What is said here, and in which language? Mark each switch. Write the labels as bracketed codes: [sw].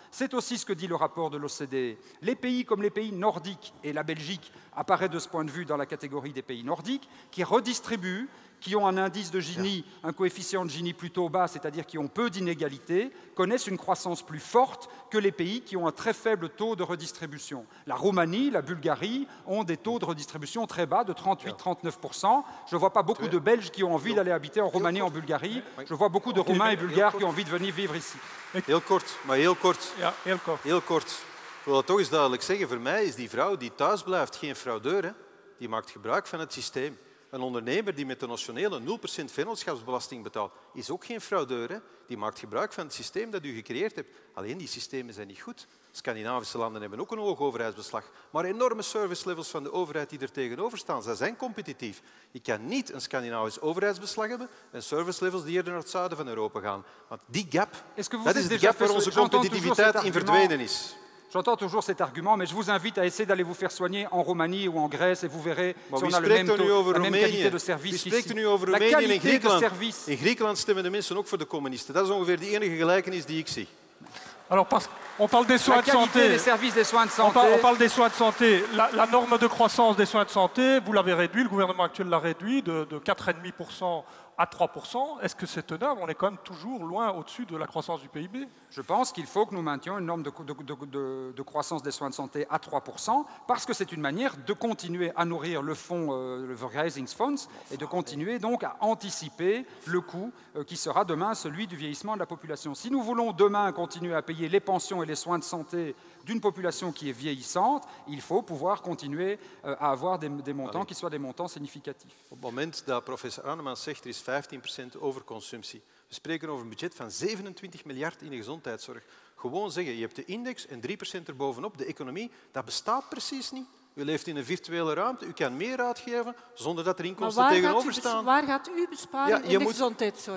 [fr] C'est aussi ce que dit le rapport de l'OCDE. Les pays comme les pays nordiques, et la Belgique apparaît de ce point de vue dans la catégorie des pays nordiques, qui redistribuent, qui ont un indice de Gini, un coefficient de Gini plutôt bas, c'est-à-dire qui ont peu d'inégalités, connaissent une croissance plus forte que les pays qui ont un très faible taux de redistribution. La Roumanie, la Bulgarie ont des taux de redistribution très bas, de 38-39%. Je ne vois pas beaucoup de Belges qui ont envie d'aller habiter en Roumanie, en Bulgarie. Je vois beaucoup de Roumains et Bulgares qui ont envie de venir vivre ici. [nl] Heel kort. Ik wil dat toch eens duidelijk zeggen. Voor mij is die vrouw die thuis blijft geen fraudeur. Hè? Die maakt gebruik van het systeem. Een ondernemer die met de notionele 0% vennootschapsbelasting betaalt, is ook geen fraudeur. Hè? Die maakt gebruik van het systeem dat u gecreëerd hebt. Alleen die systemen zijn niet goed. Scandinavische landen hebben ook een hoog overheidsbeslag, maar enorme service levels van de overheid die er tegenover staan. Zij zijn competitief. Je kan niet een Scandinavisch overheidsbeslag hebben en service levels die eerder naar het zuiden van Europa gaan. Want die gap, dat is de gap waar onze competitiviteit in verdwenen is. [fr] J'entends toujours cet argument, mais je vous invite à essayer d'aller vous faire soigner en Roumanie ou en Grèce et vous verrez si on a le même taux, la même qualité de service ici. [nl] Wie spreekt nu over Roemenië en Griekenland? In Griekenland stemmen de mensen ook voor de communisten. Dat is ongeveer de enige gelijkenis die ik zie. [fr] Alors, on parle des soins de santé. Des services des soins de santé. On parle des soins de santé. La norme de croissance des soins de santé, vous l'avez réduit, le gouvernement actuel l'a réduit de 4,5% à 3%. Est-ce que c'est tenable? On est quand même toujours loin au-dessus de la croissance du PIB. Je pense qu'il faut que nous maintenions une norme de croissance des soins de santé à 3% parce que c'est une manière de continuer à nourrir le fonds, le Raising Funds, et de continuer donc à anticiper le coût qui sera demain celui du vieillissement de la population. Si nous voulons demain continuer à payer les pensions et les soins de santé d'une population qui est vieillissante, il faut pouvoir continuer à avoir des montants qui soient des montants significatifs. Au moment où professeur [nl] Arneman zegt, er is 15% overconsumptie. We spreken over een budget van 27 miljard in de gezondheidszorg. Gewoon zeggen, je hebt de index en 3% erbovenop, de economie, dat bestaat precies niet. U leeft in een virtuele ruimte, u kan meer uitgeven zonder dat er inkomsten tegenover staan. Waar gaat u besparen in de gezondheidszorg?